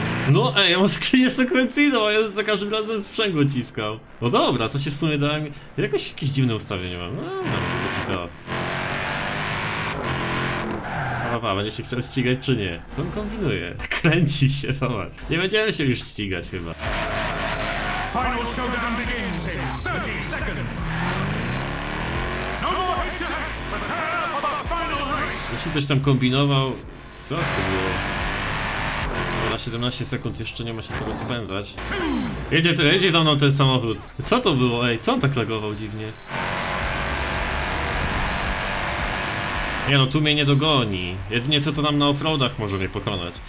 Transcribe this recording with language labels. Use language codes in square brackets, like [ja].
[pl] No ej, ja mam skrzynię sekwencyjną, a ja za każdym razem sprzęgło ciskał. No dobra, to się w sumie dałem... Jakoś jakieś dziwne ustawienie mam. No, żeby ci to... Pa, będzie się chciał ścigać czy nie? Co on kombinuje? Kręci się, zobacz. Nie będziemy się już ścigać chyba. [en] Final showdown begins in 30 seconds. No more hit to hit, prepare for the final race. [pl] Jeśli coś tam kombinował... Co to było? Na 17 sekund jeszcze nie ma się co rozpędzać. Jedzie za mną ten samochód. Co to było, ej? Co on tak lagował dziwnie? Nie no, tu mnie nie dogoni. Jedynie co to nam na offroadach może mnie pokonać.